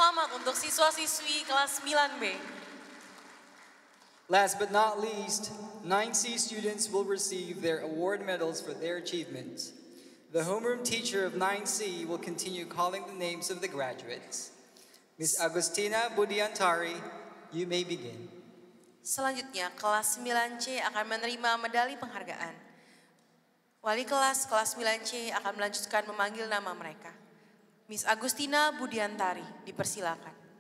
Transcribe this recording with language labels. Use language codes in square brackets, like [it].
[id] selamat untuk siswa-siswi kelas 9B. [en] Last but not least, 9C students will receive their award medals for their achievements. The homeroom teacher of 9C will continue calling the names of the graduates. Miss Agustina Budiantari, you may begin. [id] Selanjutnya, kelas 9C akan menerima medali penghargaan. Wali kelas, kelas 9C akan melanjutkan memanggil nama mereka. Miss Agustina Budiantari, dipersilakan.